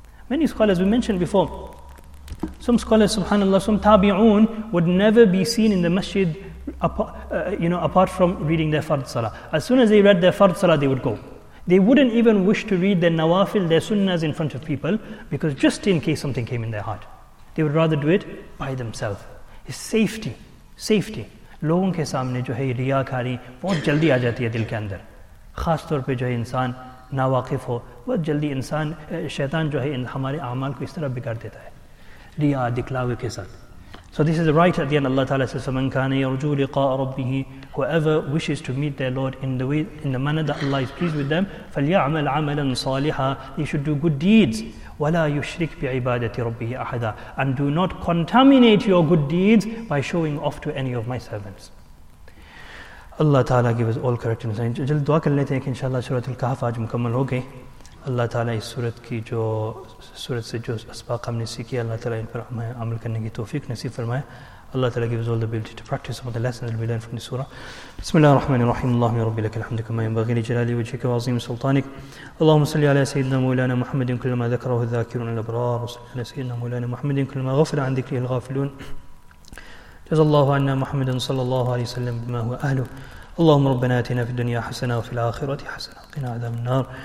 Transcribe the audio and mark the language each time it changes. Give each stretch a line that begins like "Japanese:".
English: Many scholars, we mentioned before, some scholars, subhanAllah, some tabi'un, would never be seen in the masjid apart from reading their fard salah. As soon as they read their fard salah, they would go. They wouldn't even wish to read their nawafil, their sunnahs in front of people, because just in case something came in their heart. They would rather do it by themselves. It's safety, safety.
Urdu: لوگوں کے سامنے جو ہے ریاکاری بہت جلدی آ جاتی ہے دل کے اندر, خاص طور پہ جو ہے انسان ناواقف ہو, بہت جلدی انسان شیطان جو ہے ہمارے اعمال کو اس طرح بگاڑ دیتا ہے ریا دکھلاوے کے ساتھ.
English: So this is right at the end, Allah Ta'ala says,
Arabic: فَمَنْ كَانَ يَرْجُو لِقَاءَ رَبِّهِ,
English: whoever wishes to meet their Lord in the way, in the manner that Allah is pleased with them,
Arabic: فَلْيَعْمَلْ عَمَلًا صَالِحًا,
English: he should do good deeds.
Arabic: وَلَا يُشْرِكْ بِعِبَادَةِ رَبِّهِ أَحَدًا,
English: and do not contaminate your good deeds by showing off to any of my servants. Allah Ta'ala give us all correct insight.
Urdu: جل دعا کر لیتے ہیں کہ انشاءاللہ سورت الکحف آج مکمل ہو گئے. اللہ تعالیٰ اس سورت کی جو سورت سے جو اسباق ہم نے سیکھی, اللہ تعالیٰ ان پر عمل کرنے کی توفیق نصیب فرمائے.
English: اللہ تعالیٰ gives all the ability to practice some of the lessons that we learn from the surah.
Arabic: بسم اللہ الرحمن الرحیم. اللہم رب لك الحمد كما ينبغي لجلال وجهك وعظيم سلطانك. اللهم صل على سيدنا مولانا محمد كلما ذكره الذاكرون الابرار, وصل على سيدنا مولانا محمد كلما غفل عن ذكره الغافلون. جزا الله عنا محمد صلى الله عليه وسلم بما هو اهله. اللهم ربنا اتنا في الدنيا حسنه وفي الاخره حسنه وقنا عذاب النار.